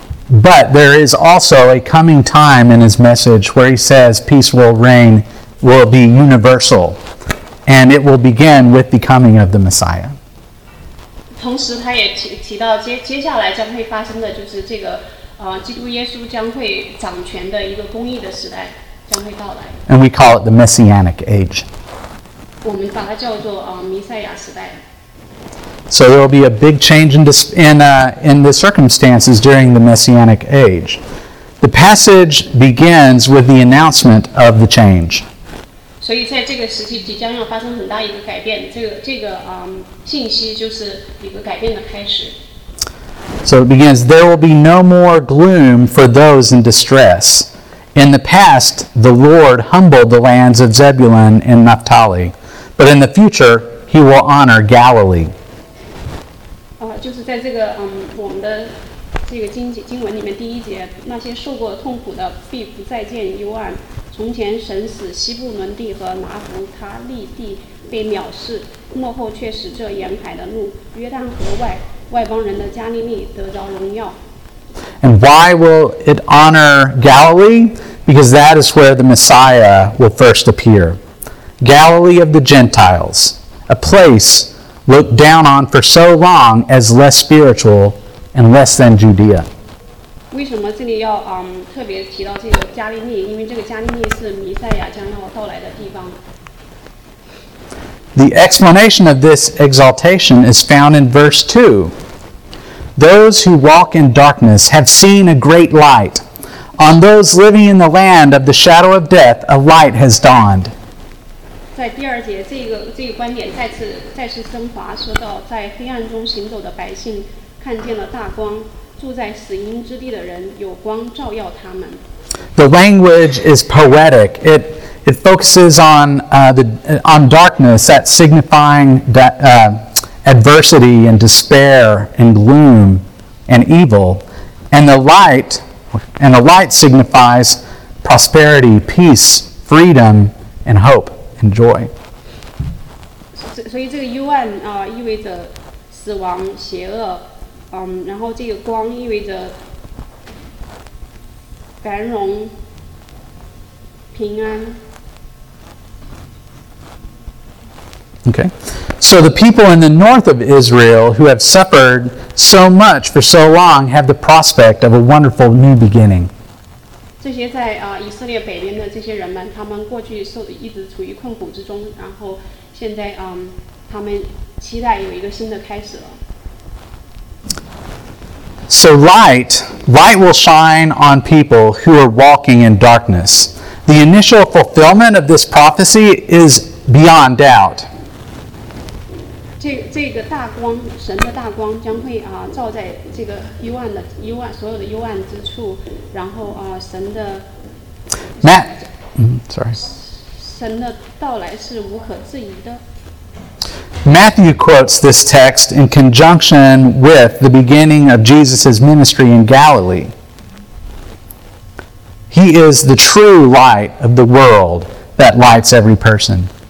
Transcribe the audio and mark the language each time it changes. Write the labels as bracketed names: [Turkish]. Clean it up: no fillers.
[English] But there is also a coming time in his message where he says peace will reign, will be universal, and it will begin with the coming of the Messiah. [Chinese] 同时他也 提到 接下来将会发生的就是这个基督耶稣将会掌权的一个公义的时代将会到来。 [English] And we call it the Messianic Age. [Chinese] 我们把它叫做弥赛亚时代。 [English] So there will be a big change in the circumstances during the Messianic age. The passage begins with the announcement of the change. So in this time, there will be a big change. This information is a big change. So it begins, there will be no more gloom for those in distress. In the past, the Lord humbled the lands of Zebulun and Naphtali, but in the future, he will honor Galilee. [Chinese] 就是在这个我们的这个经文里面第一节，那些受过痛苦的必不再见幽暗。从前神使西布伦地和拿弗他利地被藐视，末后却使这沿海的路约旦河外邦人的加利利得着荣耀。 [English] And why will it honor Galilee? Because that is where the Messiah will first appear. Galilee of the Gentiles, a place looked down on for so long as less spiritual and less than Judea. [Chinese] 为什么这里要特别提到这个加利利？因为这个加利利是弥赛亚将要到来的地方。 [English] The explanation of this exaltation is found in verse 2. Those who walk in darkness have seen a great light. On those living in the land of the shadow of death, a light has dawned. [Chinese] 在第二节，这个观点再次升华，说到在黑暗中行走的百姓看见了大光。住在死荫之地的人有光照耀他们。 [English] The language is poetic. It focuses on darkness, that signifying adversity and despair and gloom and evil. And the light signifies prosperity, peace, freedom, and hope and joy. [Chinese] 所以这个幽暗意味着死亡、邪恶。然后这个光意味着繁荣、平安。 [English] Okay. So the people in the north of Israel who have suffered so much for so long have the prospect of a wonderful new beginning. [Chinese] 这些在以色列北边的这些人们，他们过去一直处于困苦之中，然后现在他们期待有一个新的开始了。 [English] So light will shine on people who are walking in darkness. The initial fulfillment of this prophecy is beyond doubt. [Chinese] 这个大光，神的大光将会照在这个幽暗之处，然后神的 [English] Matt, sorry. [Chinese] 神的到来是无可置疑的。 [English] Matthew quotes this text in conjunction with the beginning of Jesus' ministry in Galilee. He is the true light of the world that lights every person.